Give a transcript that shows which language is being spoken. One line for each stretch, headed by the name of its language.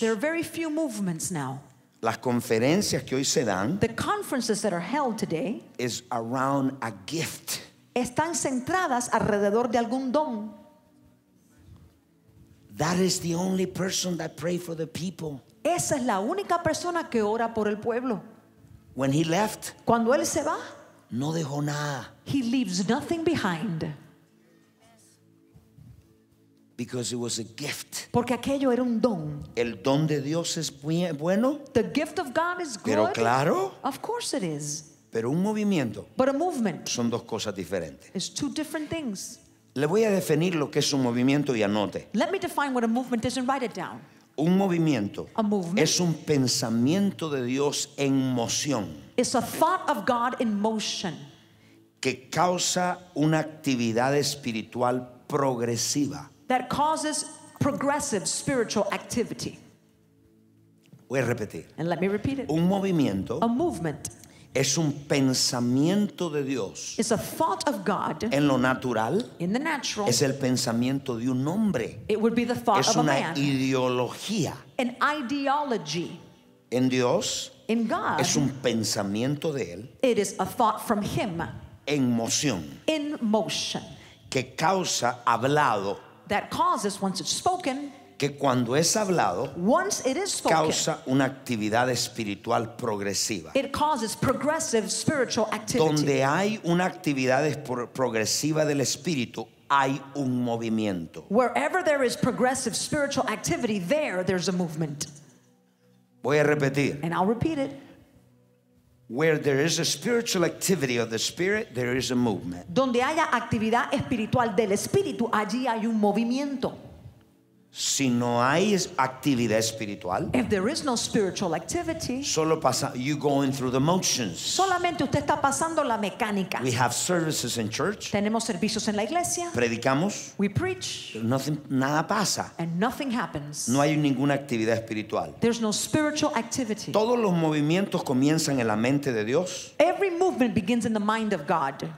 English: There are very few movements now.
Spanish: Las conferencias que hoy se dan.
English: The conferences that are held today. Is around a gift.
Spanish: Están centradas alrededor de algún don.
English: That is the only person that pray for the people.
Spanish: Esa es la única persona que ora por el pueblo.
English: When he left.
Spanish: Cuando él se va. No dejó nada.
English: He leaves nothing behind. Because it was a gift.
Spanish: Porque aquello era un don. El don de Dios es bueno.
English: The gift of God is good.
Spanish: Pero claro.
English: Of course it is.
Spanish: Pero un movimiento.
English: But a movement.
Spanish: Son dos cosas diferentes.
English: It's two different things.
Spanish: Le voy a definir lo que es un movimiento y anote.
English: Let me define what a movement is and write it down.
Spanish: Un movimiento.
English: A movement.
Spanish: Es un pensamiento de Dios en moción.
English: It's a thought of God in motion.
Spanish: Que causa una actividad espiritual progresiva.
English: That causes progressive spiritual activity.
Spanish: Voy a repetir.
English: And let me repeat it.
Spanish: Un movimiento.
English: A movement.
Spanish: Es un pensamiento de Dios.
English: It's a thought of God.
Spanish: En lo natural.
English: In the natural.
Spanish: Es el pensamiento de un hombre.
English: It would be the thought of a man.
Spanish: Es una ideología.
English: An ideology.
Spanish: En Dios.
English: In God.
Spanish: Es un pensamiento de él.
English: It is a thought from him.
Spanish: En moción.
English: In motion.
Spanish: Que causa hablado.
English: That causes, once it's spoken,
Spanish: que cuando es hablado,
English: once it is spoken,
Spanish: causa una actividad espiritual progresiva.
English: It causes progressive spiritual activity.
Spanish: Donde hay una actividad progresiva del espíritu, hay un movimiento.
English: Wherever there is progressive spiritual activity, there's a movement.
Spanish: Voy a repetir.
English: And I'll repeat it. Where there is a spiritual activity of the spirit, there is a movement.
Spanish: Donde haya actividad espiritual del espíritu, allí hay un movimiento. Si no hay actividad espiritual,
English: if there is no spiritual activity,
Spanish: solo pasa,
English: you going through the motions.
Spanish: Solamente usted está pasando la mecánica.
English: We have services in church.
Spanish: Tenemos servicios en la iglesia. Predicamos.
English: We preach. Nothing,
Spanish: nada pasa.
English: And nothing happens.
Spanish: No hay ninguna actividad espiritual.
English: There's no spiritual activity.
Spanish: Todos los movimientos comienzan en la mente de Dios.
English: Every movement begins in the mind of God.